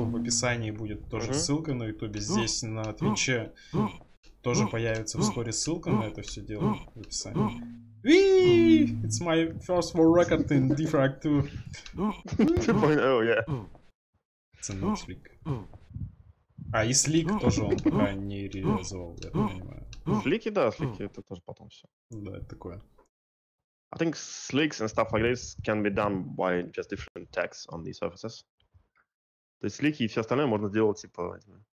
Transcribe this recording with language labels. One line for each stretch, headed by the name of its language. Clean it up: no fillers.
Russian: В описании будет тоже ссылка на Ютубе. Здесь на Твиче тоже появится вскоре ссылка на это все дело в описании.
English: Вии! It's my first world record in Defrag 2.
Russian: Ценный слик. А и слик тоже он пока не реализовал, я понимаю. Флики, да, флики, это тоже потом все. Да, это такое.
English: I think slicks and stuff like this can be done by just different tags on these surfaces.
Russian: То есть слики и все остальное можно сделать типа, не знаю,